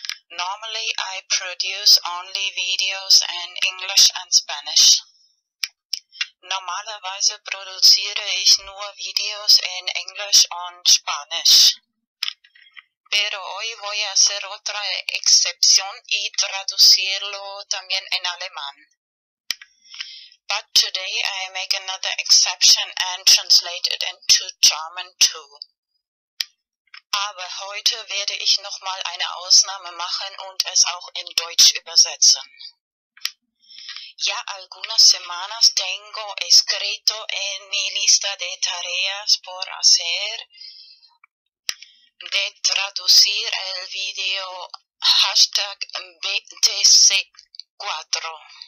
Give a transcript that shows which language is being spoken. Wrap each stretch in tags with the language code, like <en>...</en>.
<en>Normally, I produce only videos in English and Spanish.</en> <de>Normalerweise produziere ich nur Videos in English und Spanisch.</de> <es>Pero hoy voy a hacer otra excepción y traducirlo también en alemán.</es> <en>But today I make another exception and translate it into German too.</en> <de>Aber heute werde ich nochmal eine Ausnahme machen und es auch in Deutsch übersetzen.</de> <es>Ya algunas semanas tengo escrito en mi lista de tareas por hacer de traducir el video hashtag BTC4.</es>